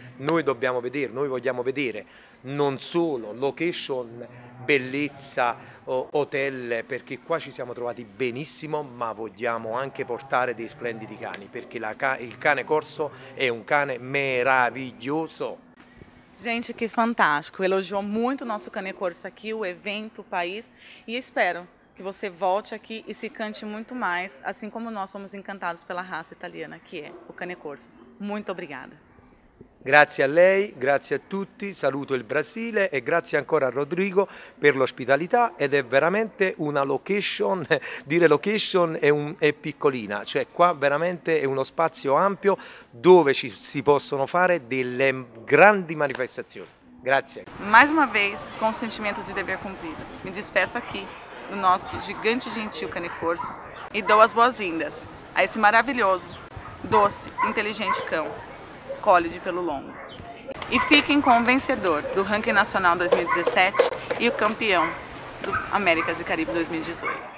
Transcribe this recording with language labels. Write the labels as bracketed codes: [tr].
[it] Noi vogliamo vedere non solo location, bellezza, hotel, perché qua ci siamo trovati benissimo, ma vogliamo anche portare dei splendidi cani, perché il cane corso è un cane meraviglioso. [pt] Gente, che fantástico! Elogiou muito o nosso cane corso aqui, o evento, o país, e espero que você volte aqui e se cante muito mais, assim como nós somos encantados pela raça italiana, que é o cane corso. Muito obrigada. [it] Grazie a lei, grazie a tutti, saluto il Brasile e grazie ancora a Rodrigo per l'ospitalità, ed è veramente una location, dire location è piccolina, cioè qua veramente è uno spazio ampio dove si possono fare delle grandi manifestazioni. Grazie. [pt] Mais uma vez, con sentimento di dever cumprido, mi despeço aqui do nosso gigante gentil cane corso e dou as boas-vindas a esse maravilhoso, doce, inteligente cão. Colhe de pelo longo. E fiquem com o vencedor do ranking nacional 2017 e o campeão do Américas e Caribe 2018.